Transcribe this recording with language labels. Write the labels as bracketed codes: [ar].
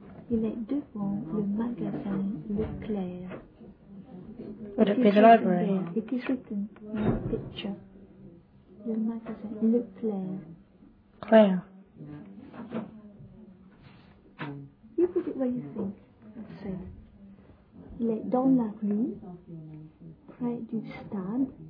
[fr] Il est devant le magasin Leclerc. [en] Would it be the library? It is written in the picture. [fr] Le magasin Leclerc. Claire. [en] You put it where you think. I said. [fr] Il est dans la rue, près du stade.